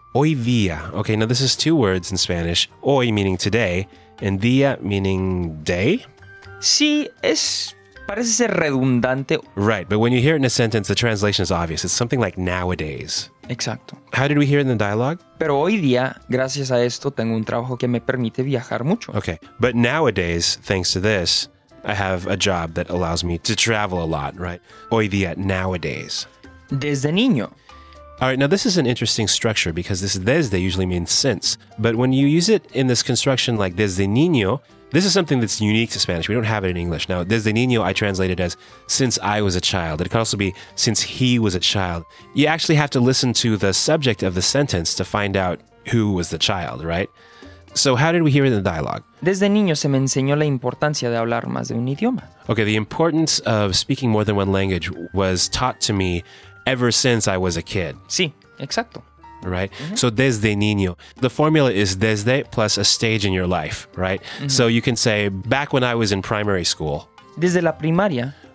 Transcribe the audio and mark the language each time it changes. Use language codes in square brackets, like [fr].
[es] Hoy día. [en] Okay, now this is two words in Spanish. Hoy meaning today, and día meaning day. [es] Sí, es parece ser redundante. [en] Right, but when you hear it in a sentence, the translation is obvious. It's something like nowadays. [es] Exacto. [en] How did we hear it in the dialogue? [es] Pero hoy día, gracias a esto, tengo un trabajo que me permite viajar mucho. [en] Okay, but nowadays, thanks to this, I have a job that allows me to travel a lot, right? [es] Hoy día, [en] nowadays. [es] Desde niño. [en] All right, now this is an interesting structure because this desde usually means since. But when you use it in this construction like desde niño, this is something that's unique to Spanish. We don't have it in English. Now, desde niño, I translate it as since I was a child. It could also be since he was a child. You actually have to listen to the subject of the sentence to find out who was the child, right? So how did we hear it in the dialogue? [es] Desde niño se me enseñó la importancia de hablar más de un idioma. [en] Okay, the importance of speaking more than one language was taught to me ever since I was a kid. [es] Sí, exacto. [en] Right? Mm-hmm. So desde niño. The formula is desde plus a stage in your life, right? Mm-hmm. So you can say, back when I was in primary school. [es] Desde la primaria.